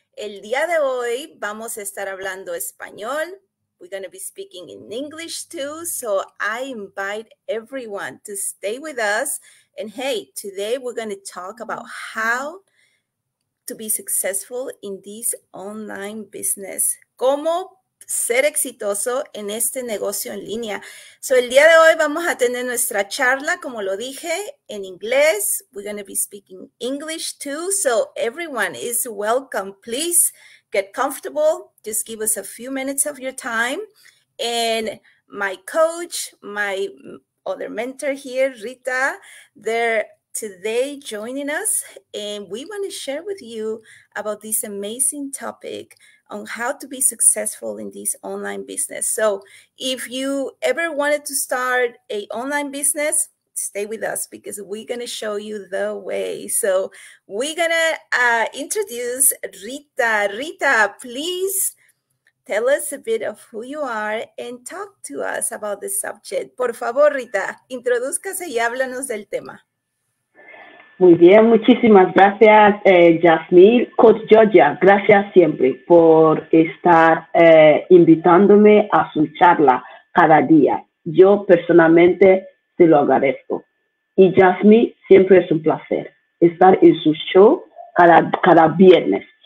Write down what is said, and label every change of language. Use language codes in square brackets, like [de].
[es] El día de hoy vamos a estar hablando español. [en] We're going to be speaking in English too, so I invite everyone to stay with us. And hey, today we're going to talk about how to be successful in this online business. [es] ¿Cómo ser exitoso en este negocio en línea? So el día de hoy vamos a tener nuestra charla, como lo dije, en inglés. [en] We're going to be speaking English too. So everyone is welcome. Please get comfortable. Just give us a few minutes of your time. And my coach, my other mentor here, Rita, they're today joining us. And we want to share with you about this amazing topic on how to be successful in this online business. So if you ever wanted to start a online business, stay with us because we're gonna show you the way. So we're gonna introduce Rita. Rita, please tell us a bit of who you are and talk to us about the subject. [es] Por favor, Rita, introdúzcase y háblanos del tema. Muy bien, muchísimas gracias, Yasmín. Coach Georgia, gracias siempre por estar invitándome a su charla cada día. Yo personalmente te lo agradezco. Y Yasmín, siempre es un placer estar en su show cada viernes.